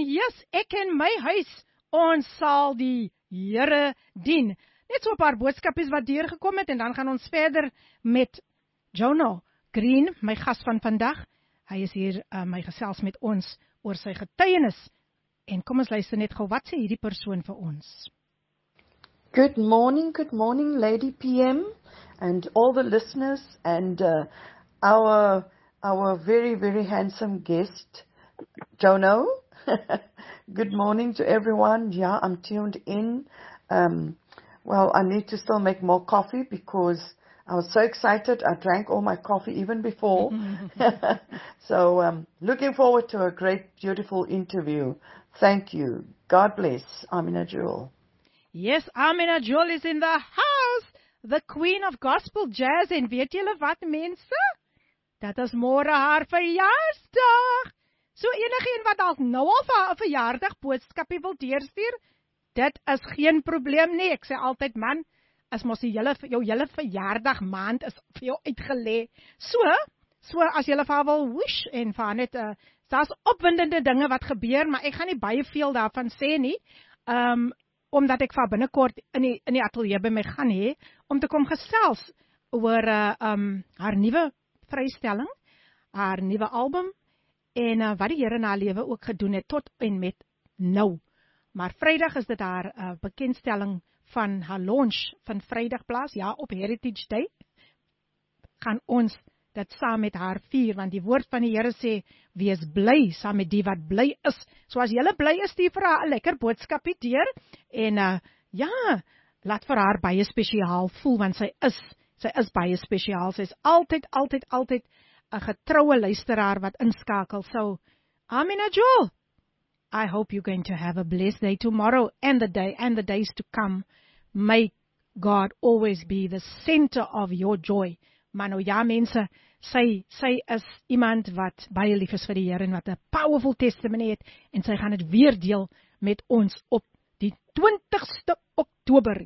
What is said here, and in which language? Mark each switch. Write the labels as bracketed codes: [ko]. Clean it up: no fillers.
[af] Yes, ek en my huis, ons sal die Here dien. Net so 'n paar boodskapies wat deurgekom het en dan gaan ons verder met Jono Green, my gas van vandag. Hy is hier my gesels met ons oor sy getuienis. En kom ons luister net gou wat sê hierdie persoon vir ons. [en] Good morning Lady PM and all the listeners and our very, very handsome guest, Jono. Good morning to everyone. Yeah, I'm tuned in. Well, I need to still make more coffee because I was so excited. I drank all my coffee even before. So, looking forward to a great, beautiful interview. Thank you. God bless. Amina Jewel. Yes, Amina Jewel is in the house. The queen of gospel jazz. [af] En weet julle wat mense? Dat is môre haar verjaarsdag. So enige een wat dalk nou al vir 'n verjaardag boodskapie wil deurstuur, dit is geen probleem nie. Ek sê altyd man, as mos die hele jou hele verjaardag maand is vir jou uitgelê. So as jy wil wish en vir net daar's opwindende dinge wat gebeur, maar ek gaan nie baie veel daarvan sê nie. Omdat ek van binnekort in die ateljee by my gaan hê om te kom gesels oor haar nuwe vrystelling, haar nuwe album en wat die Here in haar lewe ook gedoen het tot en met nou. Maar Vrydag is dit haar bekendstelling van haar launch van Vrydag plaas, ja, op Heritage Day. Gaan ons dit saam met haar vier, want die woord van die Here sê, wees bly saam met die wat bly is. So as jy bly is, stuur vir haar 'n lekker boodskapie deur en laat vir haar baie spesiaal voel, want sy is baie spesiaal, sy is altyd 'n getroue luisteraar wat inskakel. [en] So, Amina Jewel, I hope you're going to have a blessed day tomorrow and the day and the days to come. May God always be the center of your joy. [af] Maar nou ja mense, sy is iemand wat baie lief is vir die Here en wat 'n [en] powerful testimony [af] het en sy gaan dit weer deel met ons op die 20ste Oktober.